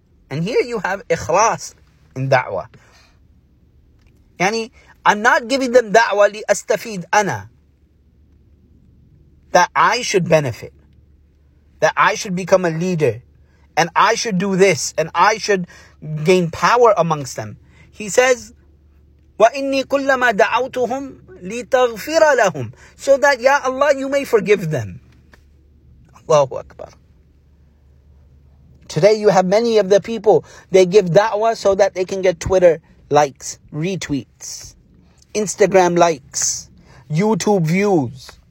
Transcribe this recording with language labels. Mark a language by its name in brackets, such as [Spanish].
[English] And here you have ikhlas in da'wah. Yani, I'm not giving them da'wah [Arabic] لِأَسْتَفِيدْ أَنَا. [English] That I should benefit. That I should become a leader. And I should do this. And I should gain power amongst them. He says, [Arabic] وَإِنِّي كُلَّمَا دَعَوْتُهُمْ لِتَغْفِرَ لَهُمْ. [English] So that, Ya Allah, you may forgive them. Allahu Akbar. Today you have many of the people, they give da'wah so that they can get Twitter likes, retweets, Instagram likes, YouTube views.